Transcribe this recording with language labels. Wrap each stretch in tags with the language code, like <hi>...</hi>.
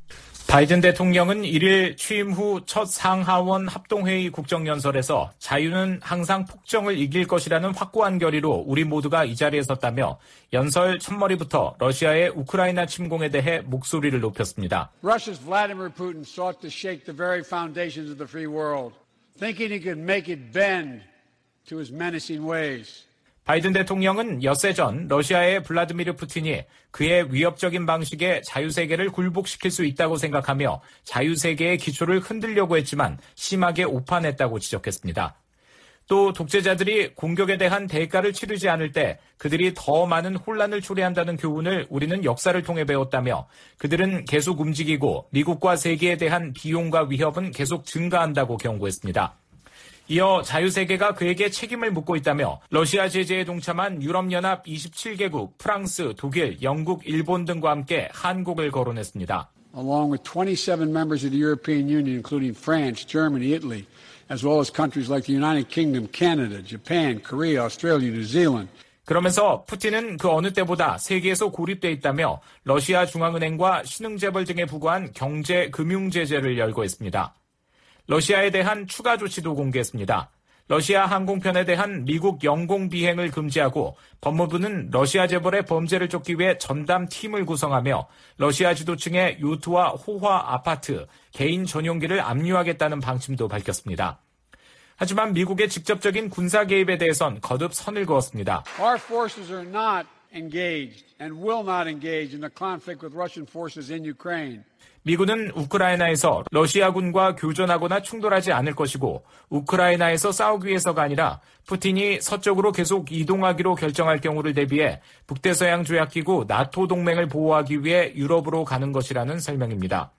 <ko>바이든 대통령은 1일 취임 후 첫 상하원 합동회의 국정연설에서 자유는 항상 폭정을 이길 것이라는 확고한 결의로 우리 모두가 이 자리에 섰다며 연설 첫머리부터 러시아의 우크라이나 침공에 대해 목소리를 높였습니다.</ko> <en>Russia's Vladimir Putin sought to shake the very foundations of the free world, thinking he could make it bend to his menacing ways.</en> <ko>바이든 대통령은 엿새 전 러시아의 블라드미르 푸틴이 그의 위협적인 방식에 자유세계를 굴복시킬 수 있다고 생각하며 자유세계의 기초를 흔들려고 했지만 심하게 오판했다고 지적했습니다. 또 독재자들이 공격에 대한 대가를 치르지 않을 때 그들이 더 많은 혼란을 초래한다는 교훈을 우리는 역사를 통해 배웠다며 그들은 계속 움직이고 미국과 세계에 대한 비용과 위협은 계속 증가한다고 경고했습니다. 이어 자유세계가 그에게 책임을 묻고 있다며 러시아 제재에 동참한 유럽연합 27개국, 프랑스, 독일, 영국, 일본 등과 함께 한국을 거론했습니다.</ko> <en>Along with 27 members of the European Union, including France, Germany, Italy, as well as countries like the United Kingdom, Canada, Japan, Korea, Australia, New Zealand.</en> <ko>그러면서 푸틴은 그 어느 때보다 세계에서 고립돼 있다며 러시아 중앙은행과 신흥재벌 등에 부과한 경제, 금융 제재를 열거했습니다. 러시아에 대한 추가 조치도 공개했습니다. 러시아 항공편에 대한 미국 영공 비행을 금지하고 법무부는 러시아 재벌의 범죄를 쫓기 위해 전담 팀을 구성하며 러시아 지도층의 요트와 호화 아파트, 개인 전용기를 압류하겠다는 방침도 밝혔습니다. 하지만 미국의 직접적인 군사 개입에 대해선 거듭 선을 그었습니다.</ko> <en>Our forces are not engaged and will not engage in the conflict with Russian forces in Ukraine.</en> <ko>미군은 우크라이나에서 러시아군과 교전하거나 충돌하지 않을 것이고 우크라이나에서 싸우기 위해서가 아니라 푸틴이 서쪽으로 계속 이동하기로 결정할 경우를 대비해 북대서양 조약기구 나토 동맹을 보호하기 위해 유럽으로 가는 것이라는 설명입니다.</ko>